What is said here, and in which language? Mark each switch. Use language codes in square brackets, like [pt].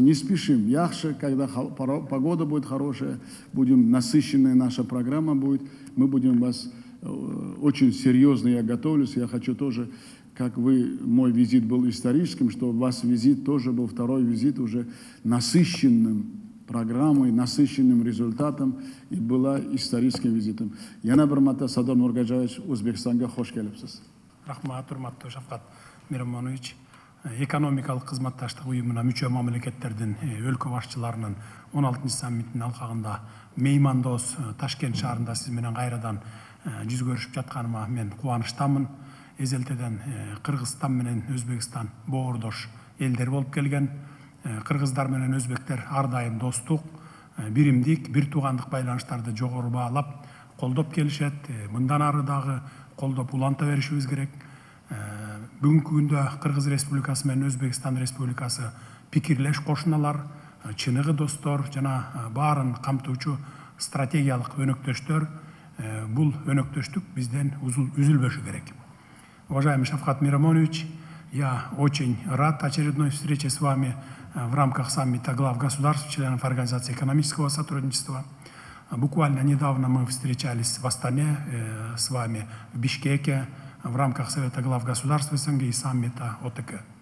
[ru] Не спешим, яхше, когда погода будет хорошая, будем насыщенная наша программа будет, мы будем вас очень серьезно, я готовлюсь, я хочу тоже, как вы, мой визит был историческим, что у вас визит тоже был второй визит уже насыщенным программой, насыщенным результатом и была историческим визитом. [ky] Яна бир марта Садыр Нургаджаевич, Узбекистанга хош келипсиз. Рахмат, урматты Шавкат Миромонович. Экономикалык кызматташтык уюмуна мүчө мамлекеттердин өлкө башчыларынын 16-нчы саммитинин алкагында меймандос Ташкент шаарында сиз менен кайрадан жүз көрүшүп жатканыма мен кубанычтамын. Эзелтеден Кыргызстан менен Өзбекстан боордош элдер болуп келген. Кыргыздар менен өзбектер ар дайым достук, биримдик, бир туугандык байланыштарды жогору баалап колдоп келишет. Мындан ары дагы колдоп уланта беришибиз керек. Бүгүнкү күндө Кыргыз Республикасы менен Өзбекстан Республикасы пикирлеш кошуналар, чыныгы достор жана баарын камтуучу стратегиялык өнөктөштөр. Бул өнөктөштүк бизден үзүлбөшү керек. [ru] Уважаемый Шавкат Миромонович, я очень рад очередной встрече с вами в рамках саммита глав государств, членов Организации экономического сотрудничества. Буквально недавно мы встречались в Астане с вами в Бишкеке в рамках Совета глав государств СНГ и саммита ОТК.